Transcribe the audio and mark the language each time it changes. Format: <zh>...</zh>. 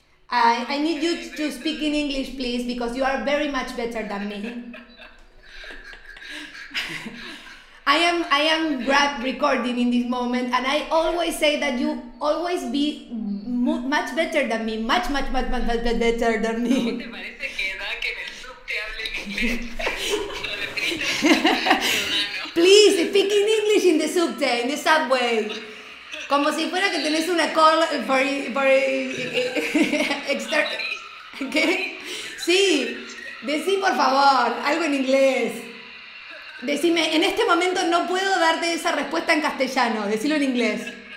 <en>I need you to speak in English, please, because you are very much better than me. I am recording in this moment, and I always say that you always be much better than me, much better than me.</en> <es>¿Cómo te parece que da que en el sub te hable en inglés?</es> <en>Please, speak in English in the sub, in the subway.</en> <es>Como si fuera que tenés una</es> <en>call for external.</en> <es>¿Qué? Sí, decí por favor, algo en inglés. Decime, en este momento no puedo darte esa respuesta en castellano, decilo en inglés.</es>